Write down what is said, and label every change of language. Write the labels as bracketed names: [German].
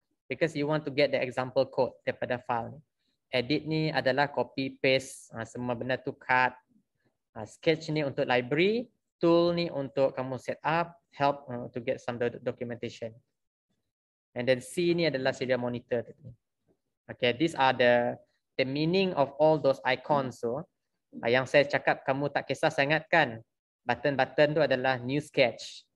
[English] Because you want to get the example code [Malay] daripada file. Edit ni adalah copy paste, semua benda tu cut. Sketch ni untuk library, tool ni untuk kamu [English] set up, help to get some documentation. And then C ni adalah serial monitor. Okay, these are the meaning of all those icons. [Malay] So, yang saya cakap kamu tak kisah sangat kan, button-button tu adalah new sketch.